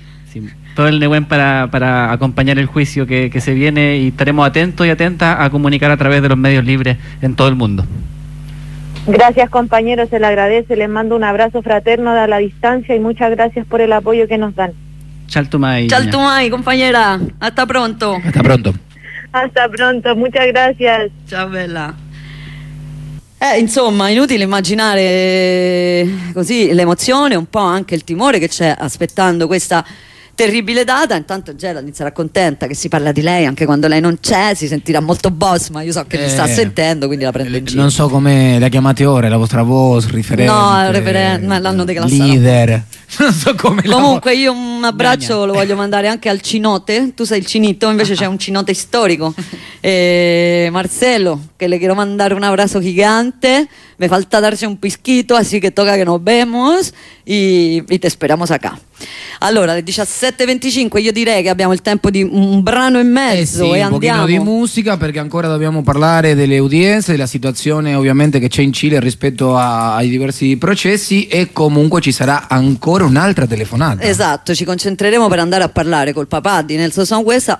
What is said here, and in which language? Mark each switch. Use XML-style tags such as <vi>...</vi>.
<es>Sí, todo el Nehuen para acompañar el juicio que se viene y estaremos atentos y atentas a comunicar a través de los medios libres en todo el mundo. Gracias, compañero, se le agradece. Les mando un abrazo fraterno a la distancia y muchas gracias por el apoyo que nos dan.</es> <arn>Chaltumay.</arn> <es>Chaltumay, compañera. Hasta pronto. Hasta pronto. Hasta pronto, muchas gracias. Chao, bella.</es> <it>Insomma, inutile immaginare così l'emozione, un po' anche il timore che c'è aspettando questa terribile data. Intanto Geraldine sarà contenta che si parla di lei anche quando lei non c'è, si sentirà molto boss, ma io so che mi sta sentendo, quindi la prendo in giro. Non so come la chiamate ora, la vostra voce, referente. No, referente, l'hanno declassata. Leader. Non so come. Comunque io un abbraccio lo voglio mandare anche al Cinote, tu sei il Cinito, invece c'è un Cinote storico. E Marcello, che</it> <es>le quiero</es> <it>mandare un abbraccio gigante.</it> <es>Me falta darci un pizquito, así que toca que nos vemos y te esperamos acá.</es> <it>Allora, alle 17.25 io direi che abbiamo il tempo di un brano e mezzo sì, e andiamo. Un pochino di musica perché ancora dobbiamo parlare delle udienze, della situazione ovviamente che c'è in Cile rispetto ai diversi processi e comunque ci sarà ancora un'altra telefonata. Esatto, ci concentreremo per andare a parlare col papà di Nelson Sanhueza.</it>